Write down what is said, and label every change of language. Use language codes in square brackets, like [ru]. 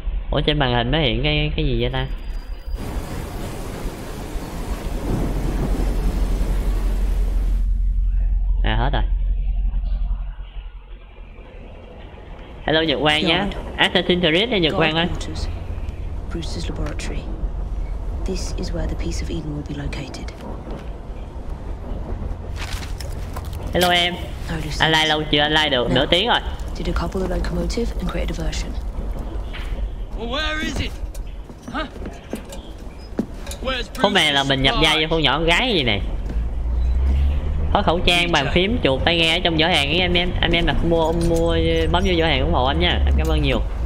[vi] Ủa trên màn hình nó hiện cái gì vậy ta? À hết rồi. Hello Nhật Quang nhé. Assassin's Creed đây Nhật Quang ơi. [en] Bruce's laboratory. This is where the piece of Eden will be located. [vi] Hello em. Anh like lâu chưa anh like được nửa tiếng rồi. [en] Did a couple of locomotive and create a diversion. Well, where is it? Huh? Where's Bruce? [vi] Khu này là mình nhập vai vô khu nhỏ con gái gì nè. Có khẩu trang, bàn phím, chuột, tai nghe ở trong giỏ hàng ấy anh em. Anh em là mua mua bấm vô giỏ hàng ủng hộ anh nha. Anh cảm ơn nhiều.